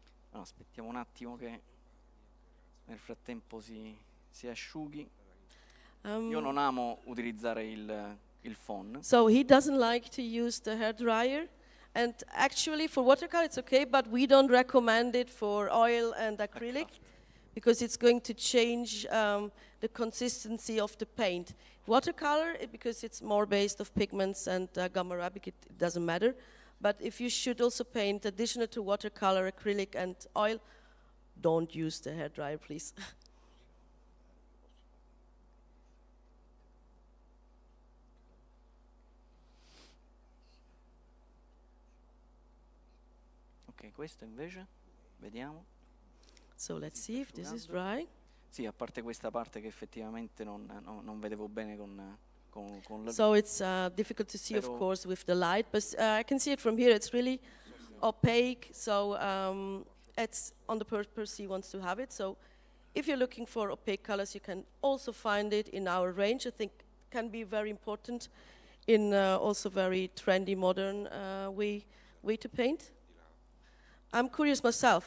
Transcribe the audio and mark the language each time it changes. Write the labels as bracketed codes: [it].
[it] No, aspettiamo un attimo che nel frattempo si asciughi. Io non amo utilizzare il phon. [en] So he doesn't like to use the hair dryer, and actually for watercolor it's okay, but we don't recommend it for oil and acrylic because it's going to change the consistency of the paint. Watercolor, because it's more based of pigments and gum arabic, it doesn't matter. But if you should also paint additional to watercolor, acrylic, and oil, don't use the hairdryer, please. [it] Okay, questo invece, vediamo. [en] So let's see if this is dry. [it] Sì, a parte questa parte che effettivamente non vedevo bene con. [en] So it's difficult to see, of course, with the light, but I can see it from here. It's really opaque, so it's on the purpose he wants to have it. So if you're looking for opaque colors, you can also find it in our range. I think can be very important in also very trendy, modern way to paint. I'm curious myself.